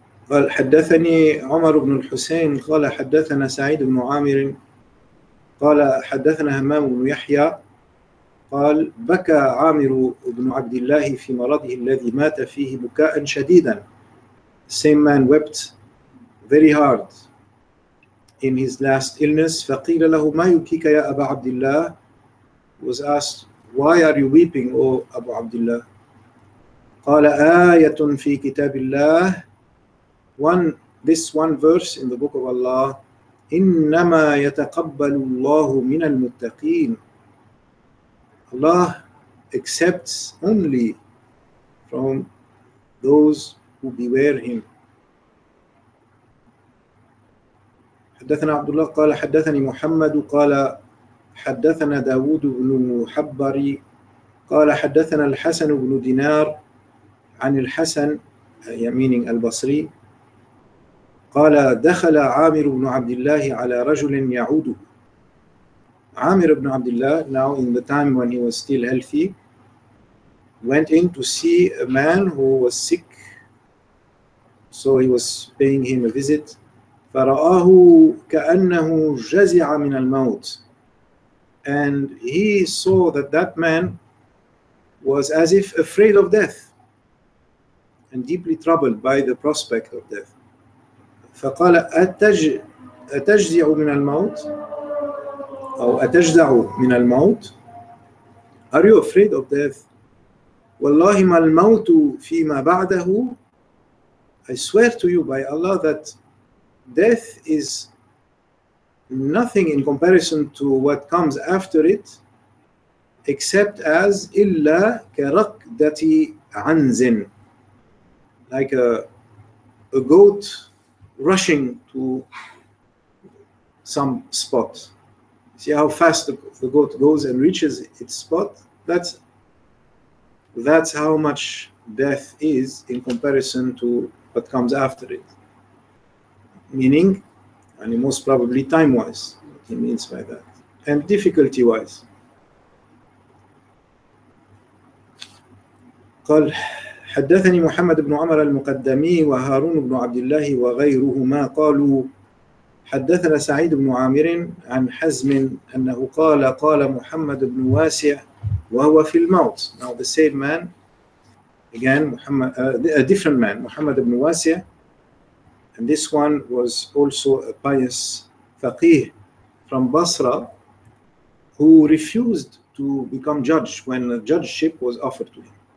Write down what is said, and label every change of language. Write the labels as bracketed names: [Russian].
[Arabic] قال حدثني عمر بن الحسين قال حدثنا سعيد بن عامر قال حدثنا همام بن يحيى قال بكى عامر بن عبد الله في مرضه الذي مات فيه بكاء شديدا. [English] Same man wept very hard in his last illness. [Arabic] فقيل له ما يبكيك يا أبا عبد الله. [English] Was asked, why are you weeping, O Abu Abdullah? [Arabic] قال آية في كتاب الله. [English] This one verse in the book of Allah, [Arabic] إنما يتقبل الله من المتقين. [English] Allah accepts only from those who beware Him. [Arabic] حدثنا عبد الله قال حدثني محمد قال حدثنا داود بن حبري قال حدثنا الحسن بن دينار عن الحسن يمينين البصري قال دخل عامر بن عبد الله على رجل يعوده. [English] عامر بن عبد الله, now in the time when he was still healthy, went in to see a man who was sick, so he was paying him a visit. [Arabic] فرآه كأنه جزع من الموت, [English] and he saw that man was as if afraid of death and deeply troubled by the prospect of death. [Arabic] فقال أتجزع من الموت أو أتجزع من الموت. [English] Are you afraid of death? [Arabic] والله ما الموت فيما بعده. [English] I swear to you by Allah that death is nothing in comparison to what comes after it, except as [Arabic] إلا كركدة عنز, [English] like a goat rushing to some spot. See how fast the goat goes and reaches its spot? That's how much death is in comparison to what comes after it. Meaning, and most probably time-wise, what he means by that, and difficulty-wise. [Arabic] قال حدثني محمد بن عمر المقدمي وهارون بن عبد الله وغيرهما قالوا حدثنا سعيد بن عامر عن حزم أنه قال قال محمد بن واسع وهو في الموت. [English] Now the same man, again محمد, a different man, محمد بن واسع, and this one was also a pious faqih from Basra who refused to become judge when a judgeship was offered to him,